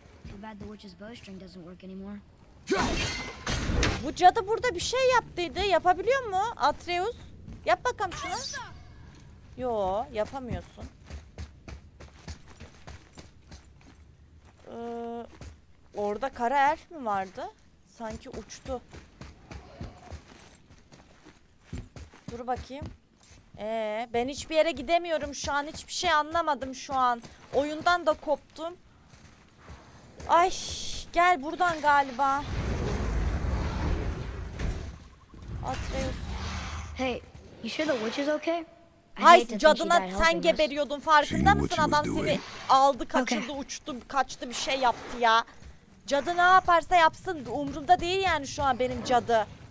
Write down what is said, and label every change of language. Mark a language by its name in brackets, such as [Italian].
[English] Too bad the witch's bowstring doesn't work anymore. [Turkish] Bu cadı burada bir şey yaptıydı. Yapabiliyor mu Atreus? Yap bakalım şunu. Yo, yapamıyorsun. Orada kara elf mi vardı? Sanki uçtu. Dur bakayım. Ben hiçbir yere gidemiyorum şu an. Hiçbir şey anlamadım şu an. Oyundan da koptum. Ay, gel buradan galiba. Atreus. [English] Hey, you sure the witch is okay? [Turkish] Hayır, cadına sen geberiyordun, farkında mısın? Adam seni aldı, kaçırdı, uçtu, kaçtı, bir şey yaptı ya. Cadı ne yaparsa yapsın, umurumda değil yani şu an benim cadı.